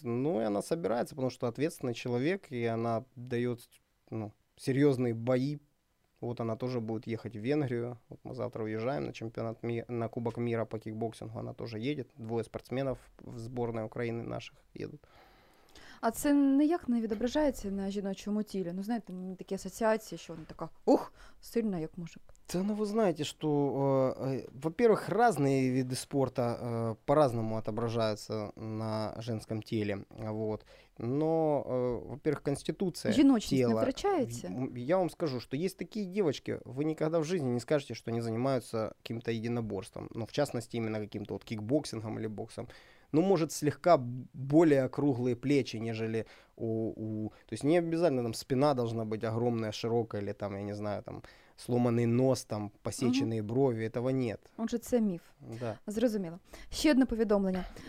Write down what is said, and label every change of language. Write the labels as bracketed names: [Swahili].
[Russian] Ну и она собирается, потому что ответственный человек, и она дает, ну, серьезные бои. Вот она тоже будет ехать в Венгрию. Вот мы завтра уезжаем на чемпионат на Кубок мира по кикбоксингу. Она тоже едет. Двое спортсменов в сборной Украины наших едут. [Ukrainian] А це ніяк не відображається на жіночому тілі? Ну, знаєте, такі асоціації, що вона така, ух, сильна, як мужик. Це, ну, ви знаєте, що, [Russian] во-первых, [Ukrainian] різні види спорту [Russian] по-разному [Ukrainian] відображаються на жіночому тілі. [Russian] Вот. Но, во-первых, конституция [Ukrainian] жіночність [Russian] тела. [Ukrainian] Не втрачається? Я вам скажу, що є такі дівчатки, ви ніколи в житті не скажете, що вони займаються якимось єдиноборством. Ну, в частності, іменно якимось вот кікбоксингом або боксом. [Russian] Ну, может, слегка более округлые плечи, нежели у... То есть не обязательно там спина должна быть огромная, широкая, или там, я не знаю, там сломанный нос, там посеченные брови, этого нет. [Ukrainian] Он же це миф. [Russian] Да. [Ukrainian] Зрозуміло. Ще одне повідомлення.